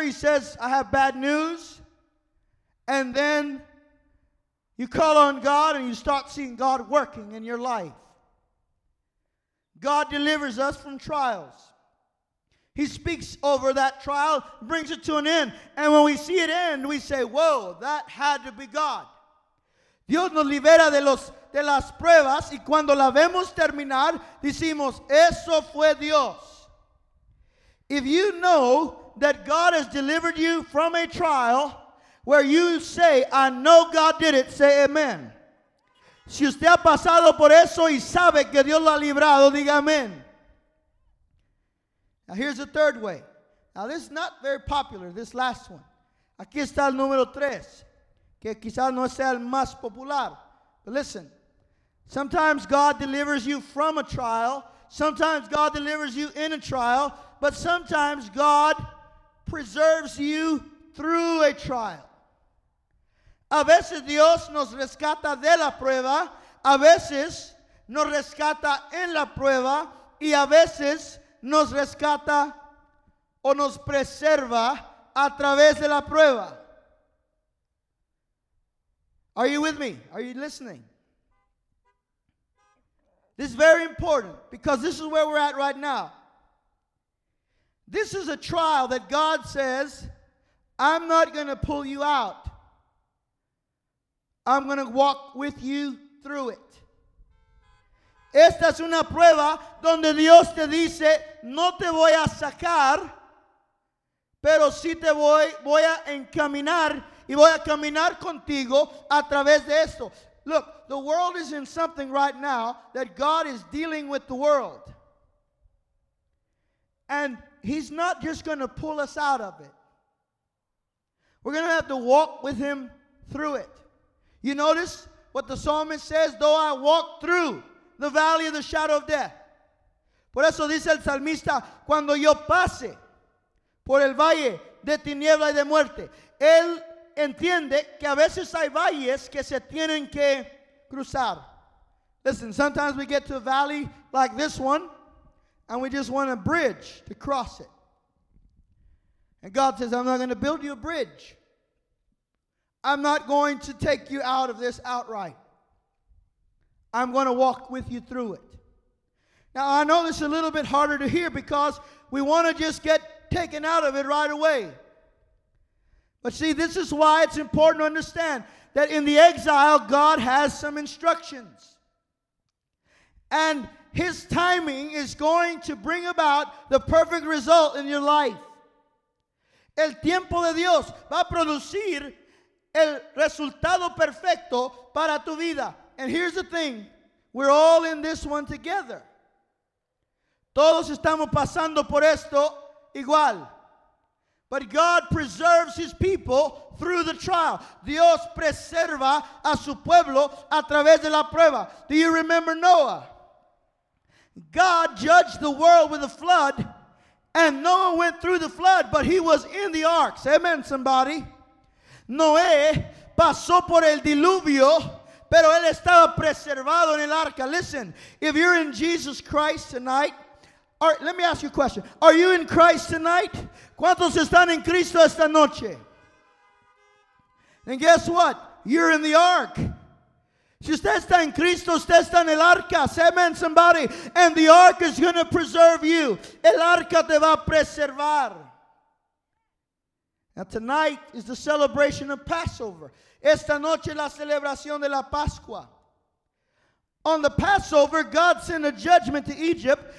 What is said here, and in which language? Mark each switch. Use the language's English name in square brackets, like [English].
[English] He says, "I have bad news." And then you call on God, and you start seeing God working in your life. God delivers us from trials. He speaks over that trial, brings it to an end. And when we see it end, we say, whoa, that had to be God. [Spanish] Dios nos libera de las pruebas, y cuando la vemos terminar, decimos, eso fue Dios. [English] If you know that God has delivered you from a trial where you say, I know God did it, say amen. [Spanish] Si usted ha pasado por eso y sabe que Dios lo ha librado, diga amén. [English] Now here's the third way. Now this is not very popular, this last one. [Spanish] Aquí está el número tres, que quizás no sea el más popular. [English] But listen, sometimes God delivers you from a trial. Sometimes God delivers you in a trial. But sometimes God preserves you through a trial. [Spanish] A veces Dios nos rescata de la prueba, a veces nos rescata en la prueba, y a veces nos rescata o nos preserva a través de la prueba. [English] Are you with me? Are you listening? This is very important because this is where we're at right now. This is a trial that God says, I'm not going to pull you out. I'm going to walk with you through it. [Spanish] Esta es una prueba donde Dios te dice, no te voy a sacar, pero sí te voy a encaminar y voy a caminar contigo a través de esto. [English] Look, the world is in something right now that God is dealing with the world. And he's not just going to pull us out of it. We're going to have to walk with him through it. You notice what the psalmist says, though I walk through the valley of the shadow of death. [Spanish] Por eso dice el salmista, cuando yo pase por el valle de tiniebla y de muerte. Él entiende que a veces hay valles que se tienen que cruzar. [English] Listen, sometimes we get to a valley like this one, and we just want a bridge to cross it. And God says, I'm not going to build you a bridge. I'm not going to take you out of this outright. I'm going to walk with you through it. Now, I know this is a little bit harder to hear because we want to just get taken out of it right away. But see, this is why it's important to understand that in the exile, God has some instructions. And his timing is going to bring about the perfect result in your life. [Spanish] El tiempo de Dios va a producir el resultado perfecto para tu vida. [English] And here's the thing. We're all in this one together. [Spanish] Todos estamos pasando por esto igual. [English] But God preserves his people through the trial. [Spanish] Dios preserva a su pueblo a través de la prueba. [English] Do you remember Noah? God judged the world with a flood. And Noah went through the flood, but he was in the ark. Say amen, somebody. [Spanish] Noé pasó por el diluvio, pero él estaba preservado en el arca. [English] Listen, if you're in Jesus Christ tonight, or let me ask you a question. Are you in Christ tonight? [Spanish] ¿Cuántos están en Cristo esta noche? [English] And guess what? You're in the ark. [Spanish] Si usted está en Cristo, usted está en el arca. [English] Say amen, somebody. And the ark is going to preserve you. [Spanish] El arca te va a preservar. [English] Now tonight is the celebration of Passover. [Spanish] Esta noche la celebración de la Pascua. [English] On the Passover, God sent a judgment to Egypt.